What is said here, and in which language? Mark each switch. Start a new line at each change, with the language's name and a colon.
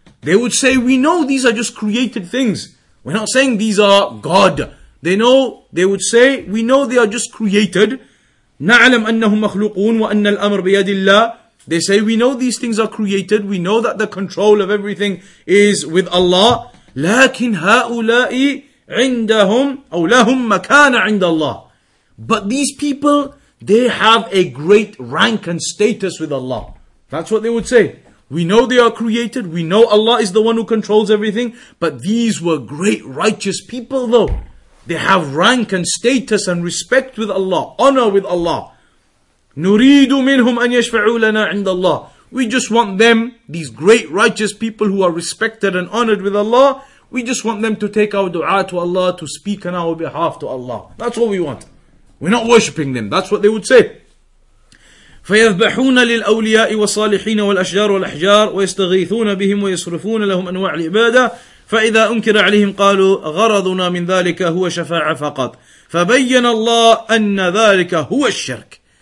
English: They would say, we know these are just created things. We're not saying these are God. They would say, we know they are just created.
Arabic: نَعْلَمْ أَنَّهُمْ مَخْلُقُونَ وَأَنَّ الْأَمْرَ بِيَدِ اللَّهِ.
English: They say, we know these things are created. We know that the control of everything is with Allah.
Arabic: لكن هؤلاء عندهم أو لهم مكان عند الله.
English: But these people, they have a great rank and status with Allah. That's what they would say. We know they are created. We know Allah is the one who controls everything. But these were great righteous people though. They have rank and status and respect with Allah. Honor with Allah.
Arabic: نريد منهم أن يشفعوا لنا عند الله.
English: We just want them, these great righteous people who are respected and honored with Allah. We just want them to take our dua to Allah, to speak on our behalf to Allah. That's what we want. We're not worshipping them. That's what they would say.
Arabic: فَيَذْبَحُونَ لِلْأَوْلِيَاءِ وَالصَّالِحِينَ وَالْأَشْجَارُ وَالْأَحْجَارُ وَيَسْتَغِيثُونَ بِهِمْ وَيَصْرِفُونَ لَهُمْ أَنْوَاعَ الْعِبَادَةِ فَإِذَا أُنْكِرَ عَلَيْهِمْ قَالُوا غَرَضُنَا مِنْ ذَلِكَ هُوَ شَفَاعَةٌ فَقَطْ فَبَيَّنَ اللَّهُ أَنَّ ذَلِكَ هُوَ الشِّرْكُ.